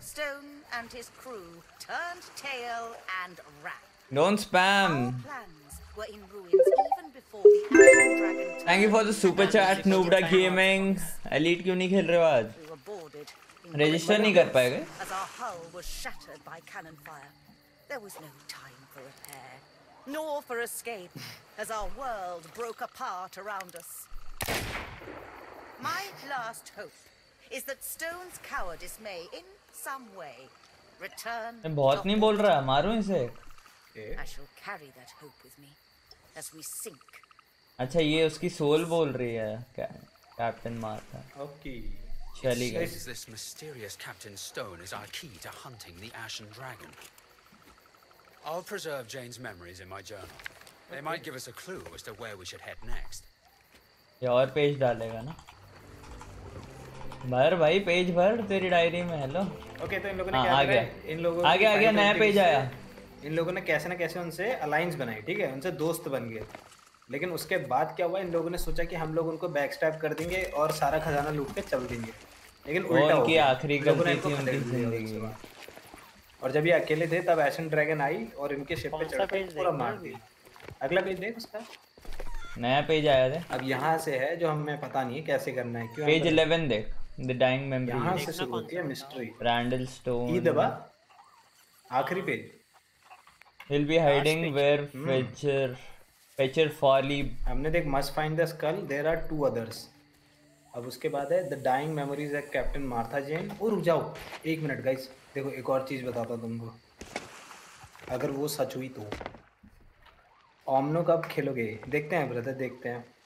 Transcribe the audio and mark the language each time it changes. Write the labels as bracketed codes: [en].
[en] Stone and his crew turned tail and ran. Don't spam. Thank you for the super chat, Noobda Gaming. [hi] Elite क्यों नहीं खेल रहे हो आज? Register नहीं कर पाए गए? [en] As our hull was shattered by cannon fire, there was no time for repair, nor for escape, as our world broke apart around us. My last hope is that Stone's cowardice may, in some way, return. [hi] मैं बहुत नहीं बोल रहा, मारूं इसे? [en] I shall carry that hope with me. As we sink. [hi] अच्छा ये उसकी सोल बोल रही है कैप्टन मार्था। [en] okay [hi] चली गई। [en] This is this mysterious Captain Stone is our key to hunting the Ashen Dragon. I'll preserve Jane's memories in my journal. They might give us a clue as to where we should head next. [hi] ये और page डालेगा ना भर भाई page भर तेरी diary में hello okay तो इन लोगों ने क्या कर रहा है इन लोगों आ गया नया पेज आया इन लोगों ने कैसे ना कैसे उनसे अलायंस बनाई ठीक है उनसे दोस्त बन गए लेकिन उसके बाद क्या हुआ इन लोगों ने सोचा कि हम लोग उनको बैक स्टैब कर देंगे और सारा खजाना लूट के चल देंगे लेकिन उल्टा उनकी आखिरी गलती थी उनकी जिंदगी और जब ये अकेले थे तब एशन ड्रैगन आई और इनके शिप पे चढ़ के पूरा मार दिया अगला पेज देख उसका नया पेज आया था अब यहाँ से है जो हमें पता नहीं है कैसे करना है क्यों पेज 11 देख [en] the dying memory [hi] यहाँ से शुरू होती है मिस्ट्री रैंडल स्टोन ये दबा आखिरी page [en] he'll be hiding where Fetcher Fetcher Farley [hi] हमने देख [en] must find the skull there are two others [hi] अब उसके बाद है [en] the dying memories of Captain Martha Jane [hi] और रुक जाओ एक मिनट गाइस देखो एक और चीज बताता तुमको अगर वो सच हुई तो ओमनो कब खेलोगे देखते हैं ब्रदर देखते हैं